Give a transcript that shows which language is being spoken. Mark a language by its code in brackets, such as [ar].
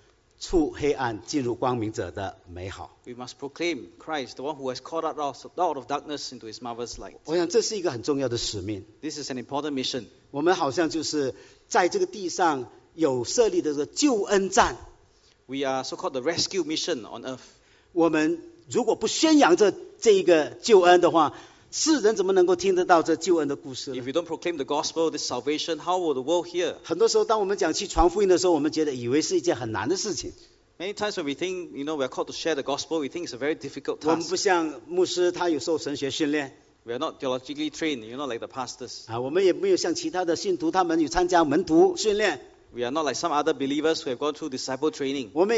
[zh] 我们要向人宣告那一位召我们出黑暗进入光明者的美好。 [en] We must proclaim Christ, the one who has called us out of darkness into His marvelous light. [zh] 我想这是一个很重要的使命。 [en] This is an important mission. [zh] 我们好像就是在这个地上有设立的救恩站。 [en] We are so-called the rescue mission on earth. [zh] 我们 如果不宣扬这个救恩的话，世人怎么能够听得到这救恩的故事呢？ [en] If you don't proclaim the gospel, this salvation, how will the world hear? [zh] 很多时候，当我们讲去传福音的时候，我们觉得以为是一件很难的事情。 [en] Many times when we think, you know, we are called to share the gospel, we think it's a very difficult task. [zh] 我们不像牧师，他有受神学训练。 [en] We are not theologically trained, you know, like the pastors. [zh] 我们也没有像其他的信徒，他们有参加门徒训练。 [en] We are not like some other believers who have gone through disciple training.